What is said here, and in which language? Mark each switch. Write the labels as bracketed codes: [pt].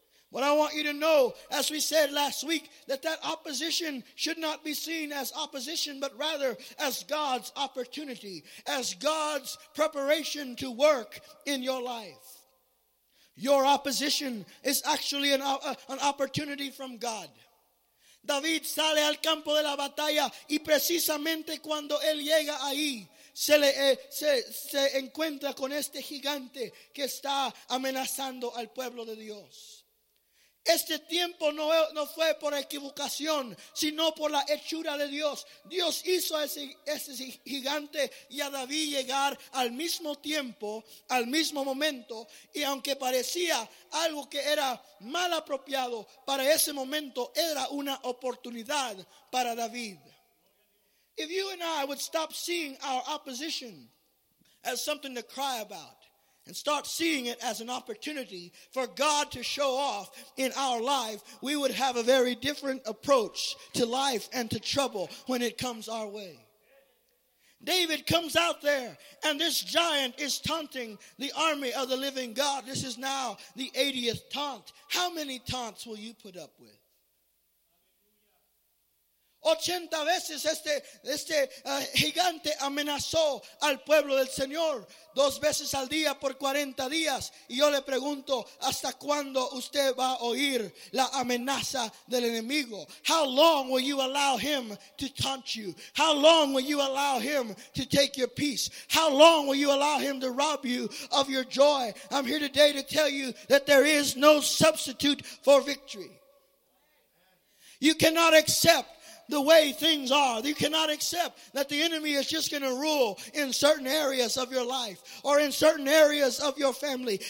[en] But I want you to know, as we said last week, that opposition should not be seen as opposition, but rather as God's opportunity, as God's preparation to work in your life. Your opposition is actually an opportunity from God. [es] David sale al campo de la batalla, y precisamente cuando él llega ahí, se encuentra con este gigante que está amenazando al pueblo de Dios. Este tiempo no fue por equivocación, sino por la hechura de Dios. Dios hizo a ese gigante y a David llegar al mismo tiempo, al mismo momento. Y aunque parecía algo que era mal apropiado, para ese momento era una oportunidad para David. [en] If you and I would stop seeing our opposition as something to cry about, and start seeing it as an opportunity for God to show off in our life, we would have a very different approach to life and to trouble when it comes our way. David comes out there, and this giant is taunting the army of the living God. This is now the 80th taunt. How many taunts will you put up with? [es] 80 veces este gigante amenazó al pueblo del Señor dos veces al día por 40 días. Y yo le pregunto, ¿hasta cuándo usted va a oír la amenaza del enemigo? [en] How long will you allow him to taunt you? How long will you allow him to take your peace? How long will you allow him to rob you of your joy? I'm here today to tell you that there is no substitute for victory. You cannot accept the way things are. You cannot accept that the enemy is just going to rule in certain areas of your life or in certain areas of your family.